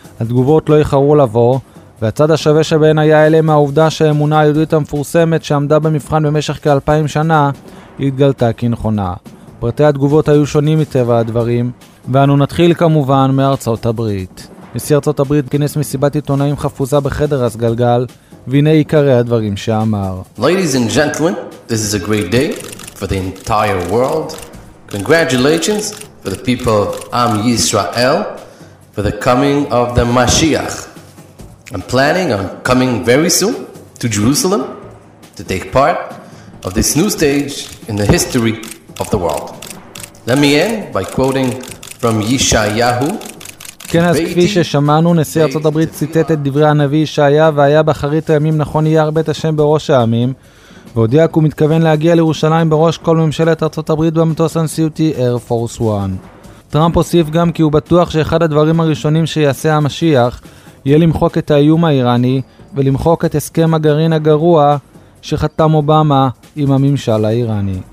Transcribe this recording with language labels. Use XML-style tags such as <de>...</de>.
<he>התגובות לא יחרו לבוא, והצד השווה שבהן היה אליהם העובדה שהאמונה היהודית המפורסמת שעמדה במבחן במשך כ-2,000 שנה, התגלתה כנכונה. פרטי התגובות היו שונים מטבע הדברים, ואנו נתחיל כמובן מארצות הברית. נשיא ארצות הברית כינס מסיבת עיתונאים חפוזה בחדר הסגלגל, והנה עיקרי הדברים שאמר.</he> <en>Ladies and gentlemen, this is a great day for the entire world. Congratulations for the people of Am Yisrael for the coming of the Mashiach. I'm planning on coming very soon to Jerusalem to take part of this new stage in the history of the world. Let me end by quoting from Yishayahu.</en> <he>כן, אז כפי ששמענו, נשיא ארצות הברית ציטט את דברי הנביא ישעיה, והיה באחרית הימים נכון יהיה הרבה את השם בראש העמים, והודיע כי הוא מתכוון להגיע לירושלים בראש כל ממשלת ארצות הברית במטוס הנשיאותי Air Force One. טראמפ הוסיף גם כי הוא בטוח שאחד הדברים הראשונים שיעשה המשיח יהיה למחוק את האיום האיראני ולמחוק את הסכם הגרעין הגרוע שחתם אובמה עם הממשל האיראני.</he>